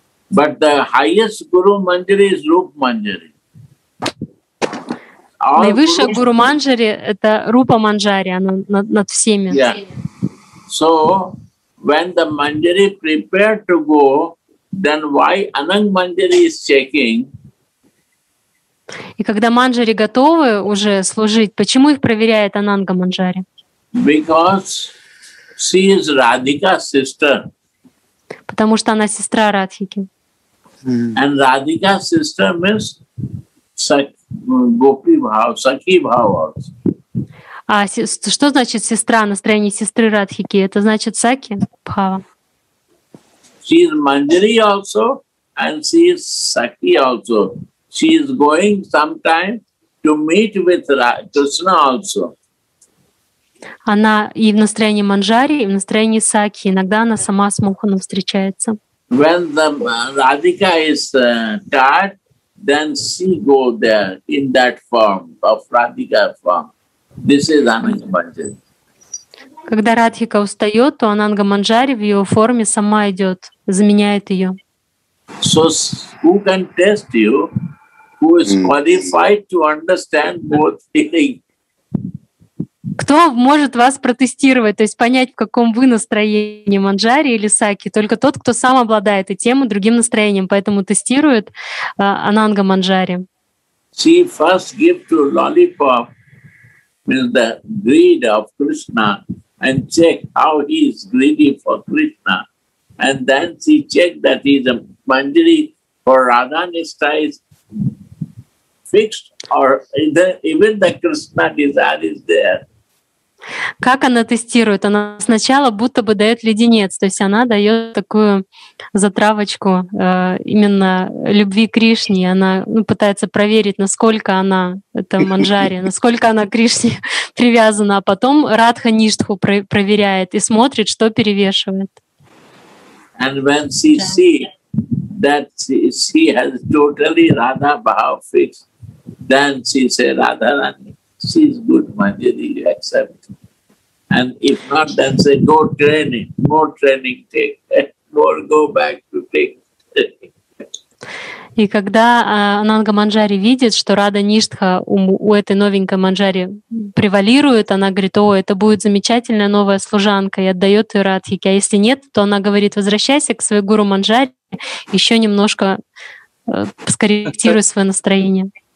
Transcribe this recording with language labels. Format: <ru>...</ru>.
<en>But the highest Guru Manjari is Rupa Manjari.</en> <ru>Наивысшая Guru Manjari – это Rupa Manjari, она над всеми.</ru> <en>Yeah. So, when the Manjari prepared to go, then why Anang Manjari is checking?</en> <ru>И когда Манджари готовы уже служить, почему их проверяет Ананга Манджари?</ru> <en>Because she is Radhika's sister.</en> <ru>Потому что она сестра Радхики.</ru> <en>And Radhika sister means Gopi Bhav, Sakhi Bhav also.</en> <ru>Что значит сестра, настроение сестры Радхики? Это значит Сакхи Бхава.</ru> <en>She is Manjari also and she is Sakhi also. She is going sometime to meet with Krishna also.</en> <ru>Она и в настроении Манджари, и в настроении Сакхи. Иногда она сама с Мохуном встречается.</ru> <en>When the Radhika is tired, then she go there in that form of Radhika form. This is Ananga Manjari.</en> <ru>Когда Радхика устает, то Ананга Манджари в ее форме сама идет, заменяет ее.</ru> <en>So who can test you, who is qualified to understand both feeling?</en> <ru>Кто может вас протестировать, то есть понять, в каком вы настроении, Манджари или Саки? Только тот, кто сам обладает и тем, и другим настроением, поэтому тестирует Ананга Манджари.</ru> <en>She first gave to lollipop with the greed of Krishna and check how he is greedy for Krishna. And then she checked that he is a Manjari for Radha Nishtha is fixed or even the Krishna desire is there.</en> <ru>Как она тестирует? Она сначала будто бы дает леденец, то есть она дает такую затравочку именно любви к Кришне. Она пытается проверить, насколько она это Манджари, насколько она к Кришне привязана, а потом Радха Ништху проверяет и смотрит, что перевешивает.</ru> <en>And when she see that she has totally Radha Bhav fixed, then she say Radha Rani. She is good, Manjari, you accept. And if not, then say, no training, more training take, more go back to take.</en> <ru>И когда Ананга Манджари видит, что Радха Ништха у этой новенькой Манджари превалирует, она говорит, о, это будет замечательная новая служанка, и отдает ее Радхике. А если нет, то она говорит, возвращайся к своей гуру Манджари, еще немножко скорректируй свое настроение.</ru>